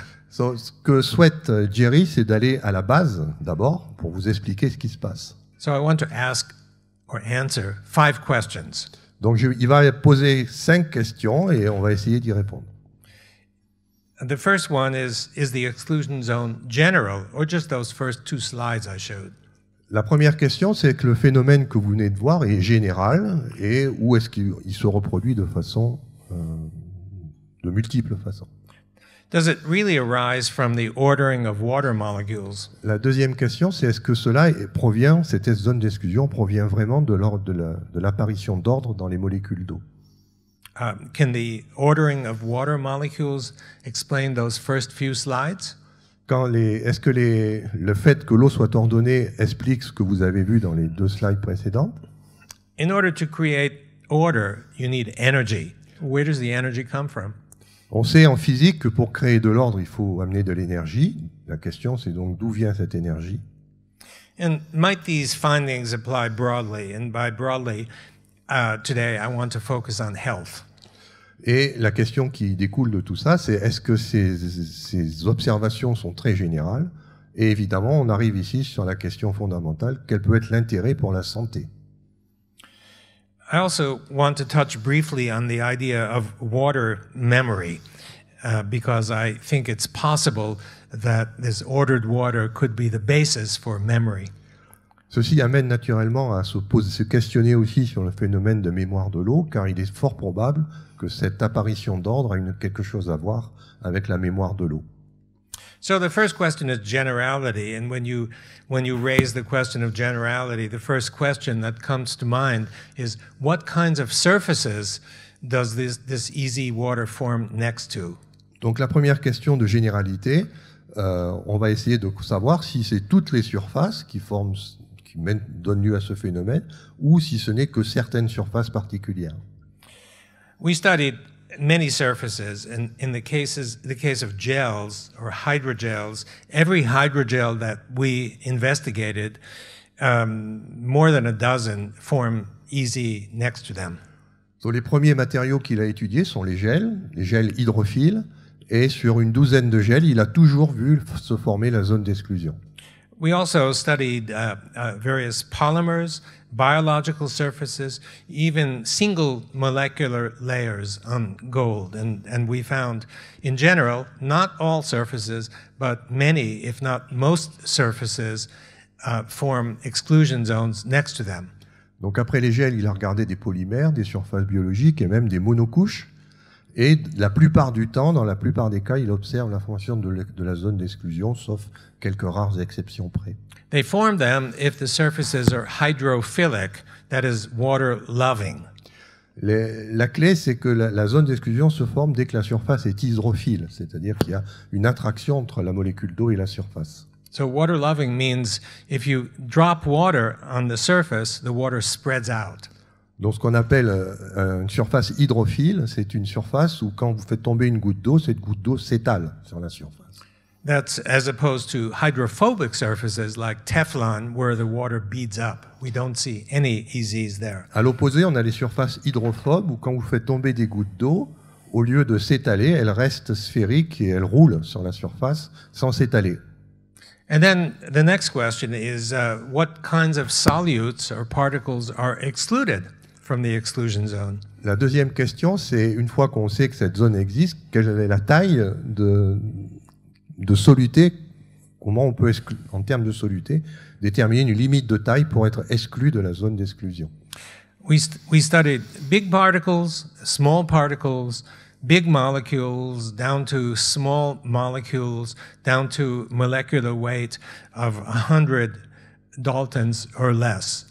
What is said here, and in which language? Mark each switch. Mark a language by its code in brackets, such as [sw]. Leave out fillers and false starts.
[fr] So, ce que souhaite Jerry, c'est d'aller à la base d'abord pour vous expliquer ce qui se passe. [en] So I want to ask or answer 5 questions. [fr] Donc il va poser 5 questions et on va essayer d'y répondre. [en] The first one is the exclusion zone general or just those first 2 slides I showed? [fr] La première question, c'est que le phénomène que vous venez de voir est général et où est-ce qu'il se reproduit de façon de multiples façons. [en] Does it really arise from the ordering of water molecules? [fr] La deuxième question, c'est est-ce que cela provient, cette zone d'exclusion provient vraiment de l'ordre de l'apparition d'ordre dans les molécules d'eau? [en] Can the ordering of water molecules explain those first few slides? [fr] Est-ce que le fait que l'eau soit ordonnée explique ce que vous avez vu dans les 2 slides précédentes? [en] In order to create order, you need energy. Where does the energy come from? [fr] On sait en physique que pour créer de l'ordre, il faut amener de l'énergie. La question, c'est donc d'où vient cette énergie? [en] And might these findings apply broadly? And by broadly, today, I want to focus on health. [fr] Et la question qui découle de tout ça, c'est est-ce que ces observations sont très générales? Et évidemment, on arrive ici sur la question fondamentale, quel peut être l'intérêt pour la santé? [en] I also want to touch briefly on the idea of water memory, because I think it's possible that this ordered water could be the basis for memory. [fr] Ceci amène naturellement à se questionner aussi sur le phénomène de mémoire de l'eau, car il est fort probable que cette apparition d'ordre a quelque chose à voir avec la mémoire de l'eau. [en] So the first question is generality, and when you raise the question of generality, the first question that comes to mind is what kinds of surfaces does this easy water form next to? [fr] Donc la première question de généralité, on va essayer de savoir si c'est toutes les surfaces qui donnent lieu à ce phénomène, ou si ce n'est que certaines surfaces particulières. [en] We studied many surfaces, and in the case of gels or hydrogels, every hydrogel that we investigated, more than a dozen form easy next to them. [fr] So les premiers matériaux qu'il a étudiés sont les gels hydrophiles, et sur une douzaine de gels, il a toujours vu se former la zone d'exclusion. [en] We also studied various polymers, biological surfaces, even single molecular layers on gold. And we found, in general, not all surfaces, but many, if not most surfaces, form exclusion zones next to them. [fr] Donc après les gels, il a regardé des polymères, des surfaces biologiques et même des monocouches. Et la plupart du temps, dans la plupart des cas, il observe la formation de la zone d'exclusion, sauf quelques rares exceptions près. [en] They form them if the surfaces are hydrophilic, that is, water-loving. [fr] La clé, c'est que la zone d'exclusion se forme dès que la surface est hydrophile, c'est-à-dire qu'il y a une attraction entre la molécule d'eau et la surface. [en] So water-loving means if you drop water on the surface, the water spreads out. [fr] Donc ce qu'on appelle une surface hydrophile, c'est une surface où quand vous faites tomber une goutte d'eau, cette goutte d'eau s'étale sur la surface. [en] That's as opposed to hydrophobic surfaces like Teflon, where the water beads up. We don't see any EZs there. [fr] À l'opposé, on a les surfaces hydrophobes où quand vous faites tomber des gouttes d'eau, au lieu de s'étaler, elles restent sphériques et elles roulent sur la surface sans s'étaler. [en] And then the next question is what kinds of solutes or particles are excluded from the exclusion zone? [fr] La deuxième question, c'est une fois qu'on sait que cette zone existe, quelle est la taille de solutés, comment on peut exclure, en termes de solutés, déterminer une limite de taille pour être exclu de la zone d'exclusion. [en] We studied big particles, small particles, big molecules, down to small molecules, down to molecular weight of 100 Daltons or less.